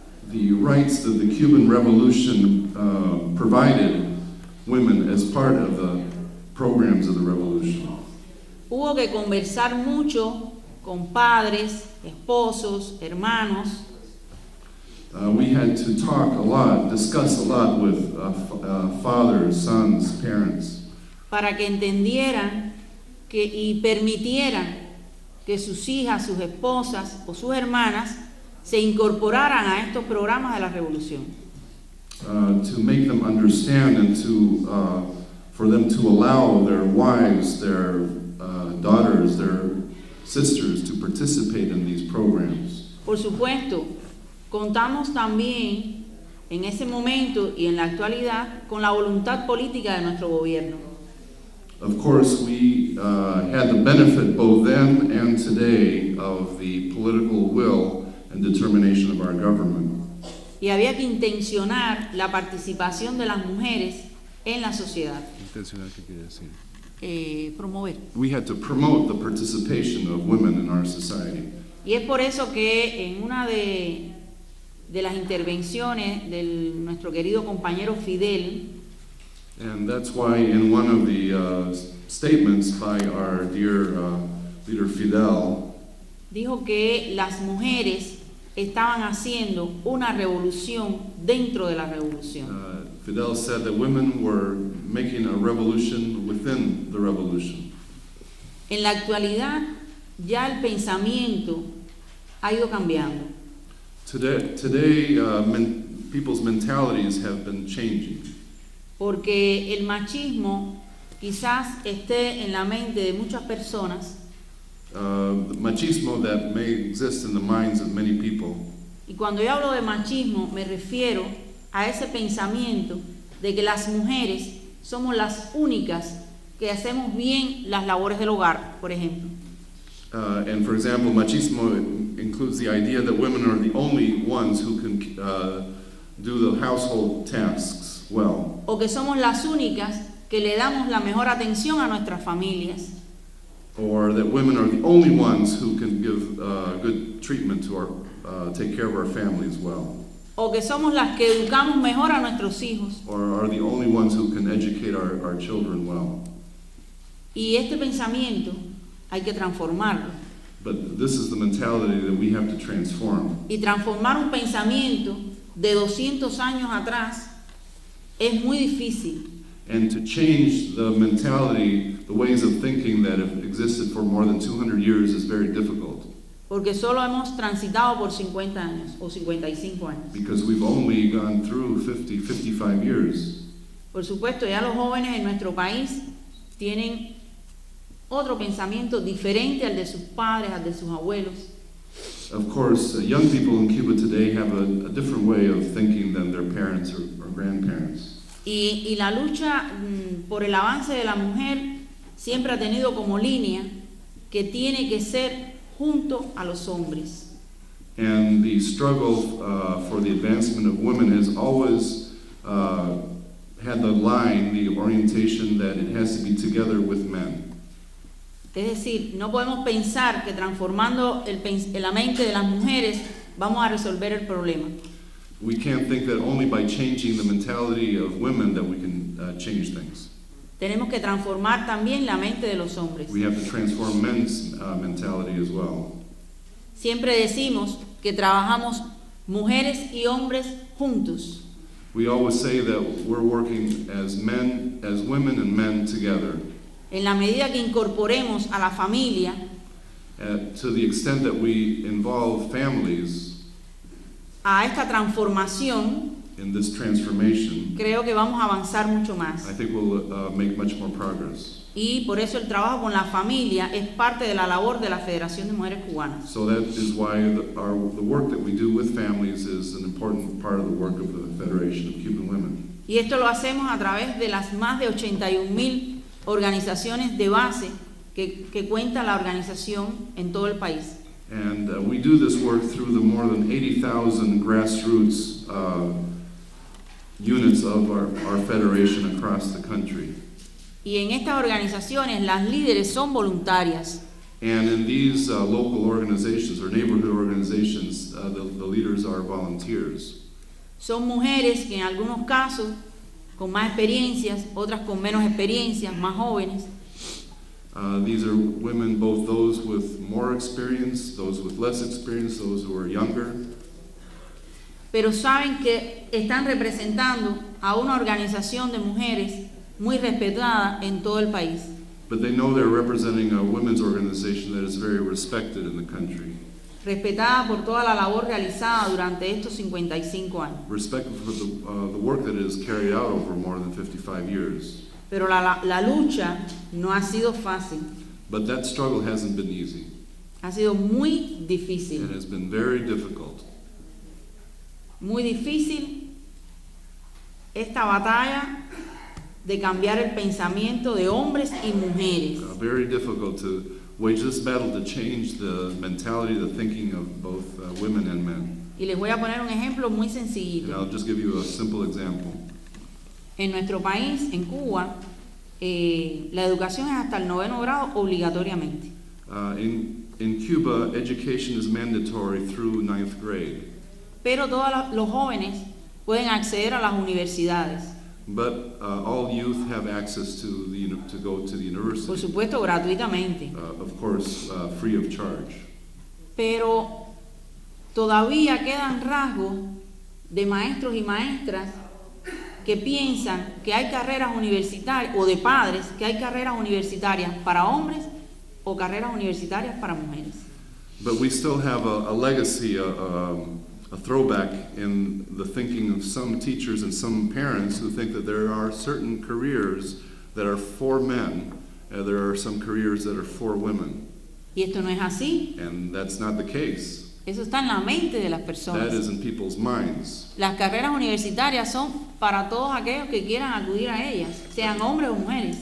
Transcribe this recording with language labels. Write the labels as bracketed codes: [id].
[en] The rights that the Cuban Revolution provided women as part of the programs of the revolution. [es] Hubo que conversar mucho con padres, esposos, hermanos. [en] We had to talk a lot, discuss a lot with fathers, sons, parents. [es] Para que entendieran que y permitieran que sus hijas, sus esposas o sus hermanas se incorporaran a estos programas de la revolución. [en] To make them understand and to for them to allow their wives, their daughters, their sisters to participate in these programs. [es] Por supuesto, contamos también en ese momento y en la actualidad con la voluntad política de nuestro gobierno. [en] Of course, we had the benefit both then and today of the political will and determination of our government. [es] Y había que intencionar la participación de las mujeres en la sociedad. Intencionar, ¿qué quiere decir? Promover. [en] We had to promote the participation of women in our society. [es] Y es por eso que en una de las intervenciones de nuestro querido compañero Fidel. [en] And that's why in one of the statements by our dear leader Fidel. [es] Dijo que las mujeres estaban haciendo una revolución dentro de la revolución. [en] Fidel said that women were making a revolution within the revolution. [es] En la actualidad, ya el pensamiento ha ido cambiando. [en] Today, people's mentalities have been changing. [es] Porque el machismo quizás esté en la mente de muchas personas. [en] The machismo that may exist in the minds of many people. [es] Y cuando yo hablo de machismo, me refiero a ese pensamiento de que las mujeres somos las únicas que hacemos bien las labores del hogar, por ejemplo. [en] And for example, machismo includes the idea that women are the only ones who can do the household tasks well. [es] O que somos las únicas que le damos la mejor atención a nuestras familias. [en] Or that women are the only ones who can give good treatment to our, take care of our families well. [es] O que somos las que educamos mejor a nuestros hijos. [en] Or are the only ones who can educate our children well. [es] Y este pensamiento hay que transformarlo. [en] But this is the mentality that we have to transform. [es] Y transformar un pensamiento de 200 años atrás es muy difícil. [en] And to change the mentality, the ways of thinking that have existed for more than 200 years is very difficult. [es] Porque solo hemos transitado por 50 años o 55 años. [en] Because we've only gone through 50, 55 years. [es] Por supuesto, ya los jóvenes en nuestro país tienen otro pensamiento diferente al de sus padres, al de sus abuelos. [en] Of course, young people in Cuba today have a different way of thinking than their parents or grandparents. [es] Y la lucha por el avance de la mujer siempre ha tenido como línea que tiene que ser junto a los hombres. [en] And the struggle for the advancement of women has always had the line, the orientation that it has to be together with men. [es] Es decir, no podemos pensar que transformando la mente de las mujeres vamos a resolver el problema. [en] We can't think that only by changing the mentality of women that we can change things. [es] Tenemos que transformar también la mente de los hombres. [en] We have to transform men's mentality as well. [es] Siempre decimos que trabajamos mujeres y hombres juntos. [en] We always say that we're working as men, as women and men together. [es] En la medida que incorporemos a la familia, [en] to the extent that we involve families, [es] a esta transformación, [en] in this transformation, [es] creo que vamos a avanzar mucho más. [en] I think we'll make much more progress. [es] Y por eso el trabajo con la familia es parte de la labor de la Federación de Mujeres Cubanas. [en] So that is why the work that we do with families is an important part of the work of the Federation of Cuban Women. [es] Y esto lo hacemos a través de las más de 81,000 organizaciones de base que cuenta la organización en todo el país. [en] And we do this work through the more than 80,000 grassroots units of our federation across the country. [es] Y en estas organizaciones las líderes son voluntarias. [en] And in these local organizations or neighborhood organizations, the leaders are volunteers. [es] Son mujeres que en algunos casos con más experiencias, otras con menos experiencias, más jóvenes. [en] These are women, both those with more experience, those with less experience, those who are younger. [es] Pero saben que están representando a una organización de mujeres muy respetada en todo el país. [en] But they know they're representing a women's organization that is very respected in the country. [es] Respetada por toda la labor realizada durante estos 55 años. [en] Respected for the work that is carried out over more than 55 years. [es] Pero la lucha no ha sido fácil. [en] But that struggle hasn't been easy. [es] Ha sido muy difícil. [en] It has been very difficult. [es] Muy difícil esta batalla de cambiar el pensamiento de hombres y mujeres. [en] Very difficult to wage this battle to change the mentality, the thinking of both women and men. [es] Y les voy a poner un ejemplo muy sencillito. [en] And I'll just give you a simple example. [es] En nuestro país, en Cuba, la educación es hasta el noveno grado obligatoriamente. [en] In Cuba, education is mandatory through ninth grade. [es] Pero todos los jóvenes pueden acceder a las universidades. [en] But all youth have access to go to the university. [es] Por supuesto, gratuitamente. [en] Of course, free of charge. [es] Pero todavía quedan rasgos de maestros y maestras que piensan que hay carreras universitarias, o de padres, que hay carreras universitarias para hombres o carreras universitarias para mujeres. [en] But we still have a legacy, a throwback in the thinking of some teachers and some parents who think that there are certain careers that are for men, and there are some careers that are for women. [es] Y esto no es así. [en] And that's not the case. [es] Eso está en la mente de las personas. [en] That is in people's minds. [es] Las carreras universitarias son para todos aquellos que quieran acudir a ellas, sean hombres o mujeres.